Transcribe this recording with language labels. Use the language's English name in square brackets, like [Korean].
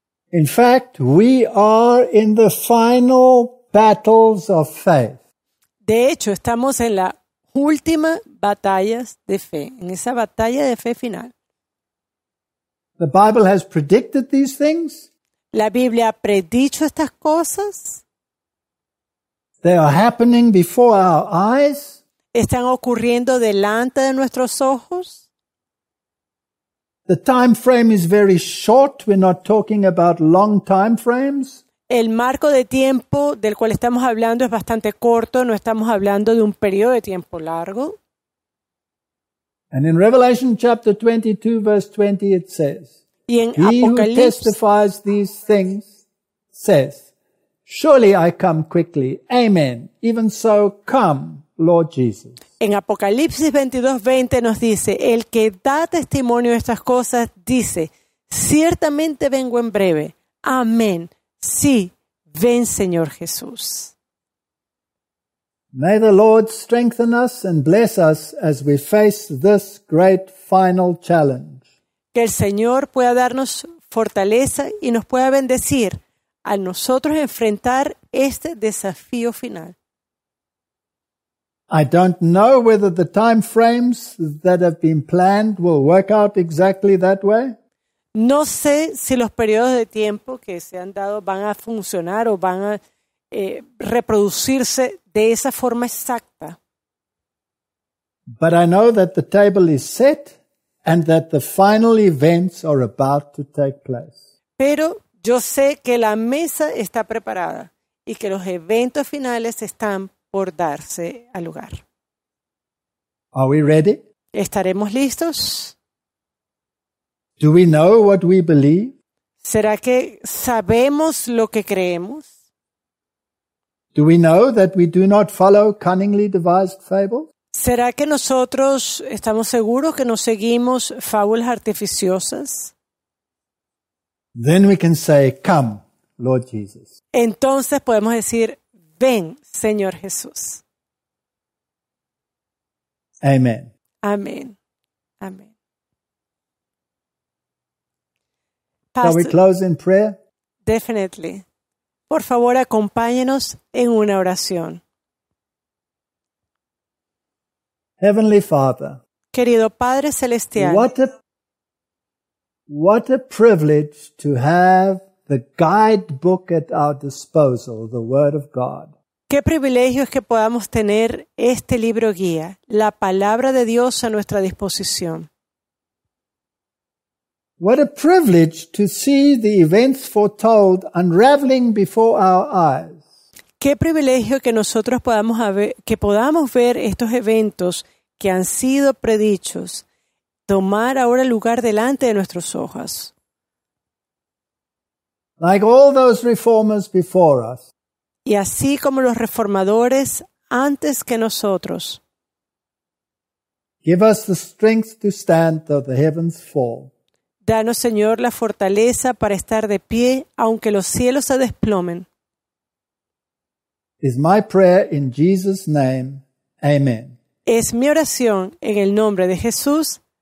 [English] In fact, we are in the final battles of faith. [Spanish] De hecho, estamos en la última batalla de fe, en esa batalla de fe final. [English] The Bible has predicted these things. [Spanish] La Biblia ha predicho estas cosas. [English] They are happening before our eyes. [Spanish] Están ocurriendo delante de nuestros ojos. [English] The time frame is very short. We're not talking about long time frames. [Spanish] El marco de tiempo del cual estamos hablando es bastante corto. No estamos hablando de un periodo de tiempo largo. [English] And in Revelation chapter 22, verse 20, it says, [Spanish] y en [English] He who testifies these things says, Surely I come quickly. Amen. Even so, come, Lord Jesus. [Spanish] En Apocalipsis 22:20 nos dice, El que da testimonio de estas cosas dice, Ciertamente vengo en breve. Amén. Sí, ven, Señor Jesús. [English] May the Lord strengthen us and bless us as we face this great final challenge. [Spanish] Que el Señor pueda darnos fortaleza y nos pueda bendecir a nosotros enfrentar este desafío final. [English] I don't know whether the time frames that have been planned will work out exactly that way. [Spanish] No sé si los periodos de tiempo que se han dado van a funcionar o van a reproducirse de esa forma exacta. [English] But I know that the table is set. And that the final events are about to take place. [Spanish] Pero yo sé que la mesa está preparada y que los eventos finales están por darse a lugar. [English] Are we ready? [Spanish] ¿Estaremos listos? [English] Do we know what we believe? [Spanish] ¿Será que sabemos lo que creemos? [English] Do we know that we do not follow cunningly devised fables? [Spanish] ¿Será que nosotros estamos seguros que no seguimos fábulas artificiosas? [English] Then we can say, Come, Lord Jesus. [Spanish] Entonces podemos decir, ven, Señor Jesús. [English] Amen. [Spanish] Amén. Amén. [English] Pastor, shall we close in prayer? Definitely. [Spanish] Por favor, acompáñenos en una oración. [English] Heavenly Father. [Spanish] Querido Padre Celestial. [English] What a privilege to have the guidebook at our disposal, the Word of God. [Spanish] Qué privilegio es que podamos tener este libro guía, la palabra de Dios a nuestra disposición. [English] What a privilege to see the events foretold unraveling before our eyes. [Spanish] Qué privilegio que nosotros podamos ver estos eventos que han sido predichos tomar ahora lugar delante de nuestros ojos. [English] Like all those reformers before us. [Spanish] Y así como los reformadores antes que nosotros. [English] Give us the strength to stand though the heavens fall. [Spanish] Danos, Señor, la fortaleza para estar de pie aunque los cielos se desplomen. [English] Is my prayer in Jesus' name. Amen. [Spanish] Es mi oración en el nombre de Jesús.